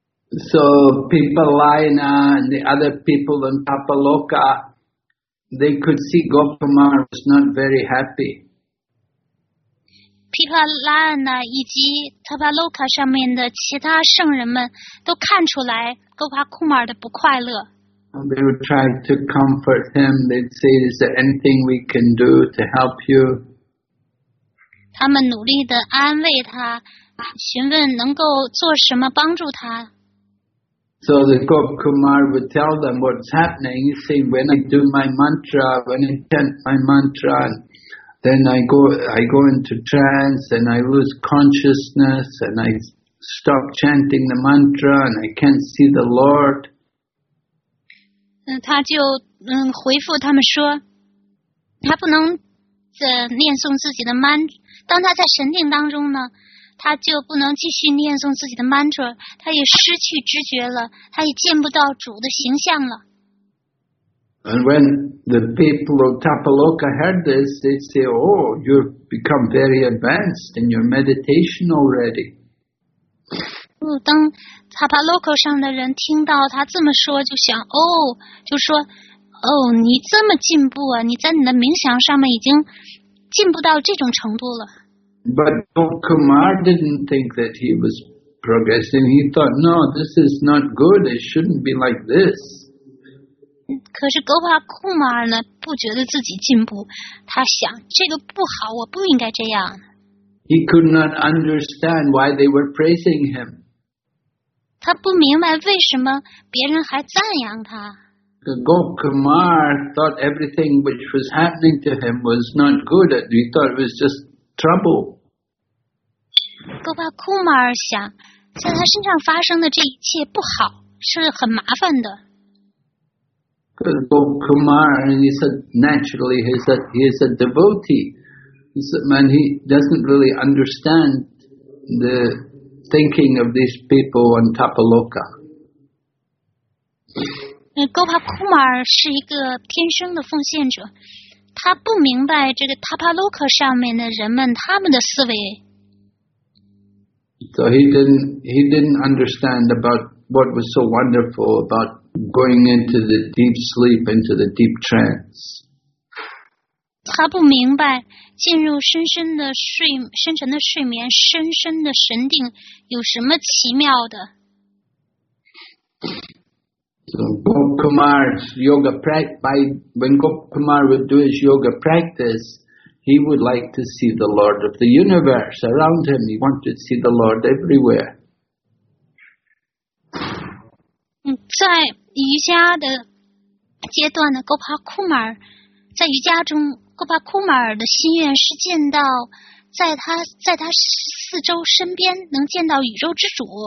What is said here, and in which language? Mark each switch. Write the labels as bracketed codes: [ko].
[en] So people Laina and the other people in Papaloka, they could see Gopamar was not very happy. [zh] 琵琶拉呢以及特巴洛卡上面的其他圣人们都看出来戈帕库马尔的不快乐。 [en] They would try to comfort him. They'd say, "Is there anything we can do to help you?" [zh] 他们努力地安慰他，询问能够做什么帮助他。 [en] So the Gopkumar would tell them what's happening. He'd say, "When I do my mantra, when I chant my mantra." Then I go into trance and I lose consciousness and I stop chanting the mantra and I can't see the Lord. [zh] 他就回复他们说，他不能念诵自己的 mantra。当他在神定当中呢，他就不能继续念诵自己的 mantra， 他也失去知觉了，他也见不到主的形象了。 [en] And when the people of Tapaloka heard this, they say, "Oh, you've become very advanced in your meditation already." [zh] 当 Tapaloka 上的人听到他这么说，就想，哦，就说，哦，你这么进步啊，你在你的冥想上面已经进步到这种程度了。 [en] But Gopkumar didn't think that he was progressing. He thought, "No, this is not good. It shouldn't be like this." [zh] 可是戈帕库马尔呢不觉得自己进步，他想这个不好，我不应该这样。 [en] He could not understand why they were praising him. [zh] 他不明白为什么别人还赞扬他。 [en] 戈帕库马尔 thought everything which was happening to him was not good. He thought it was just trouble. [zh] 戈帕库马尔想在他身上发生的这一切不好，是很麻烦的。 [en] Because Gopkumar, and he said, naturally, he's a devotee. He said, man, he doesn't really understand the thinking of these people on Tapaloka. [zh] Gopkumar 是一个天生的奉献者，他不明白这个 Tapaloka 上面的人们他们的思维。 [en] So he didn't understand about what was so wonderful about. Going into the deep sleep, into the deep trance. [zh] 他不明白进入深深的睡深沉的睡眠深深的神定有什么奇妙的。 [en] So Gopkumar's yoga practice, when Gopkumar would do his yoga practice, he would like to see the Lord of the universe around him. He wanted to see the Lord everywhere. [zh] 在瑜伽的阶段的戈帕库马尔，在瑜伽中，戈帕库马尔的心愿是见到在他四周身边能见到宇宙之主。